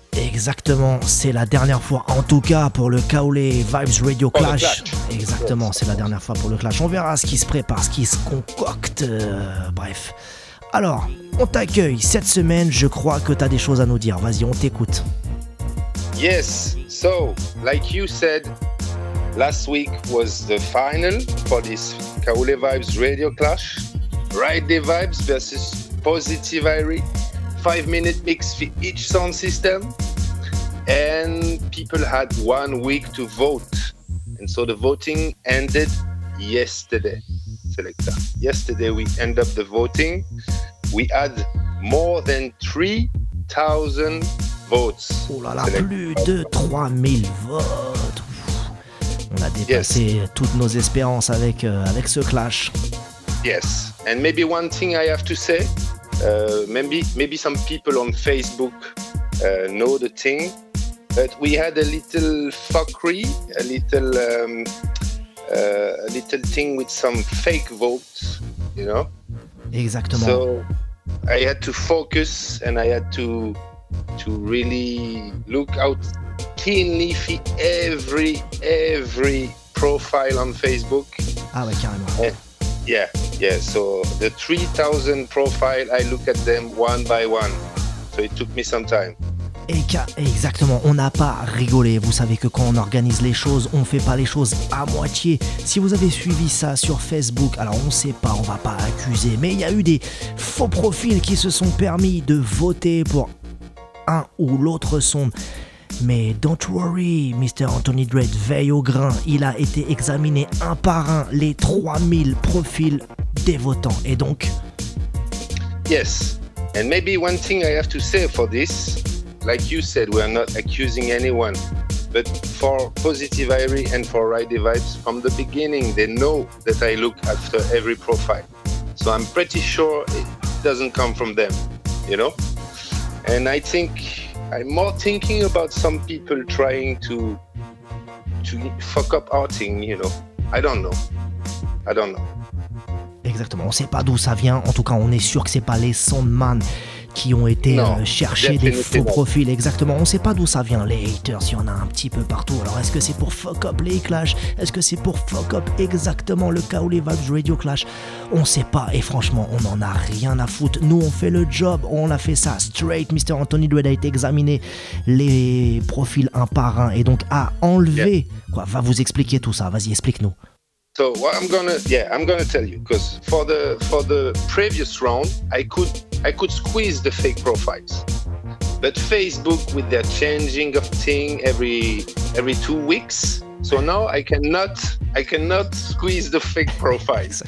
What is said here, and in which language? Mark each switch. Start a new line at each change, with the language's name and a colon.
French: Exactement, c'est la dernière fois en tout cas pour le Kaule Vibes Radio Clash. Exactement, c'est la dernière fois pour le Clash. On verra ce qui se prépare, ce qui se concocte. Bref. Alors, on t'accueille cette semaine. Je crois que tu as des choses à nous dire. Vas-y, on t'écoute.
English: Yes, so, like you said, last week was the final for this Kaule Vibes Radio Clash. Ride the Vibes versus Positive Irie. 5-minute mix for each sound system, and people had 1 week to vote, and so the voting ended yesterday. Selector, yesterday we end up the voting. We had more than 3,000 votes.
French: Oh là là, Selector. Plus de 3,000 votes. On a dépassé toutes nos espérances avec avec ce clash.
English: Yes, and maybe one thing I have to say. Maybe some people on Facebook know the thing, but we had a little fuckery, a little thing with some fake votes, you know.
French: Exactement.
English: So I had to focus and I had to really look out keenly for every profile on Facebook.
French: Ah, ouais, carrément.
English: Yeah. So the 3,000 profile, I look at them one by one. So it took me some time.
French: Exactement, on n'a pas rigolé. Vous savez que quand on organise les choses, on ne fait pas les choses à moitié. Si vous avez suivi ça sur Facebook, alors on ne sait pas, on ne va pas accuser. Mais il y a eu des faux profils qui se sont permis de voter pour un ou l'autre son. Mais
English: don't worry,
French: Mr. Anthony Dread veille au grain. Il a été examiné un par un les 3,000 profils des votants. Et donc,
English: yes. And maybe one thing I have to say for this, like you said, we are not accusing anyone. But for Positive Irie and for Ridey Vibes, from the beginning, they know that I look after every profile. So I'm pretty sure it doesn't come from them, you know. And I think I'm more thinking about some people trying to fuck up our thing, you know. I don't know.
French: Exactement, on sait pas d'où ça vient. En tout cas, on est sûr que c'est pas les Soundman qui ont été chercher des faux profils. Exactement, on sait pas d'où ça vient, les haters, il y en a un petit peu partout. Alors est-ce que c'est pour
English: fuck up
French: les Clash? Est-ce que c'est pour fuck up exactement le Kaoulé Vibes Radio Clash? On sait pas, et franchement, on en a rien à foutre. Nous, on fait le job, on a fait ça straight. Mr. Anthony Dread a été examiné les profils un par un, et donc a enlevé, quoi, va vous expliquer tout ça, vas-y, explique-nous.
English: So what I'm gonna tell you, because for the previous round I could squeeze the fake profiles, but Facebook with their changing of thing every 2 weeks, so now I cannot squeeze the fake profiles.